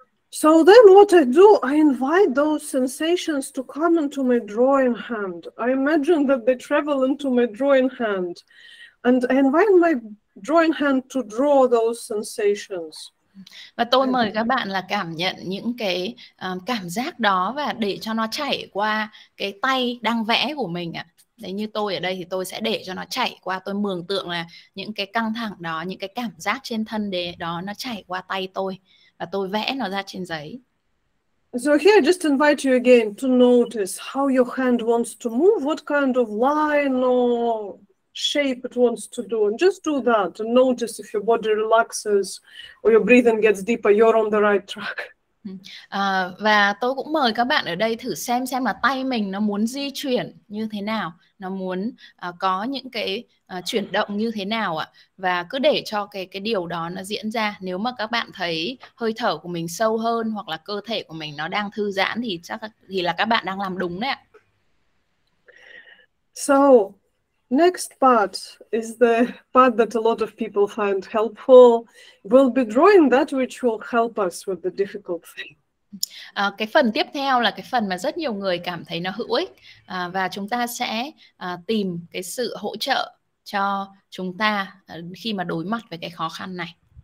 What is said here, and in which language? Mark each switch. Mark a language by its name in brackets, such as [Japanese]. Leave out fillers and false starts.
[English] So then what I do, I invite those sensations to come into my drawing hand. I imagine that they travel into my drawing hand. And I invite my drawing hand to draw those sensations. [Vietnamese] Và tôi mời các bạn là cảm nhận những cái cảm giác đó và để cho nó chảy qua cái tay đang vẽ của mình ạ. À. Đấy, như tôi ở đây thì tôi sẽ để cho nó chảy qua, tôi mường tượng là những cái căng thẳng đó, những cái cảm giác trên thân đề đó nó chảy qua tay tôi và tôi vẽ nó ra trên giấy. [English] So here I just invite you again to notice how your hand wants to move, what kind of line or shape it wants to do, and just do that and notice if your body relaxes or your breathing gets deeper, you're on the right track. [Vietnamese] Và tôi cũng mời các bạn ở đây thử xem là tay mình nó muốn di chuyển như thế nào, nó muốn có những cái chuyển động như thế nào ạ. Và cứ để cho cái điều đó nó diễn ra. Nếu mà các bạn thấy hơi thở của mình sâu hơn hoặc là cơ thể của mình nó đang thư giãn thì thì là các bạn đang làm đúng đấy ạ. [English] So next part is the part that a lot of people find helpful. We'll be drawing that which will help us with the difficult thing. [Vietnamese] Cái phần tiếp theo là cái phần mà rất nhiều người cảm thấy nó hữu ích. Và chúng ta sẽ tìm cái sự hỗ trợ cho chúng ta khi mà đối mặt với cái khó khăn này.